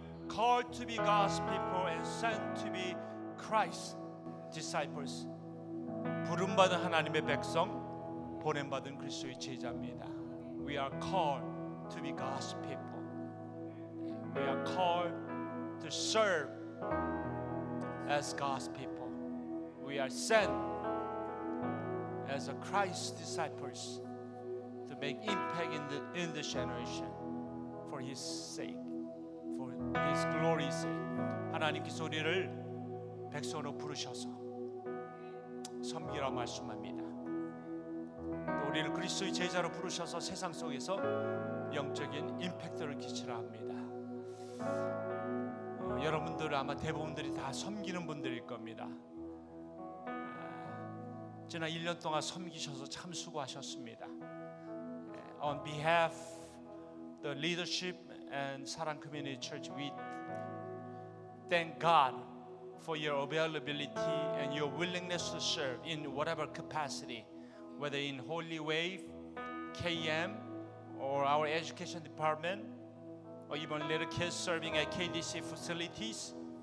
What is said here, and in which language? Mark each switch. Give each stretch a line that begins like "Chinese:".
English: Called to be God's people and sent to be Christ's disciples.
Korean: 부름 받은 하나님의 백성, 보냄 받은 그리스도의 제자입니다.
English: We are called to be God's people. We are called to serve as God's people. We are sent as a Christ's disciples. To make impact in the generation for His sake, for His glory's sake.
Korean: 하나님께서 우리를 백성으로 부르셔서 섬기라 말씀합니다. 또 우리를 그리스도의 제자로 부르셔서 세상 속에서 영적인 임팩트를 끼치라 합니다. 여러분들 아마 대부분들이 다 섬기는 분들일 겁니다. 지난 1년 동안 섬기셔서 참 수고하셨습니다.
English: On behalf of the leadership and Sarang Community Church, we thank God for your availability and your willingness to serve in whatever capacity, whether in Holy Wave, KM, or our education department, or even little kids serving at KDC facilities,